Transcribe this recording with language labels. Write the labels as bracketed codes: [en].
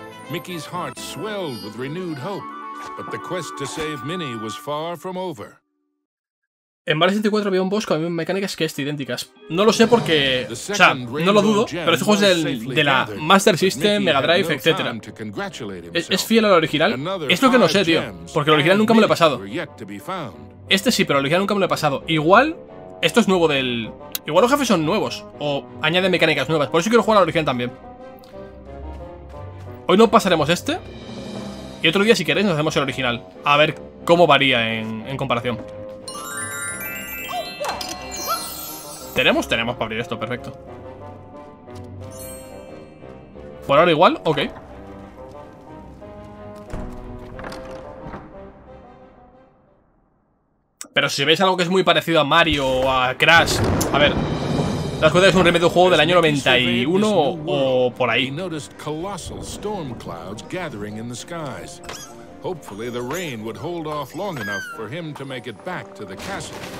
[en] Mickey's heart swelled with renewed hope, but the quest to save Minnie was far from over. [es] En Mario 64 había un boss con mecánicas que están idénticas. No lo sé porque, o sea, no lo dudo, pero este juego es de la Master System, Mega Drive, etc. Es fiel al original. Es lo que no sé, tío, porque el original nunca me lo he pasado. Este sí, pero el original nunca me lo he pasado. Igual, esto es nuevo del... Igual los jefes son nuevos, o añaden mecánicas nuevas. Por eso quiero jugar al original también. Hoy no pasaremos este. Y otro día, si queréis, nos hacemos el original. A ver cómo varía en comparación. ¿Tenemos? Tenemos para abrir esto, perfecto. Por ahora igual, ok. Pero si veis algo que es muy parecido a Mario o a Crash, a ver, las cosas es un remedio de juego del año 91 o por ahí. [en] He noticed colossal storm clouds gathering in the skies. Hopefully the rain would hold off long enough for him to make it back to the castle.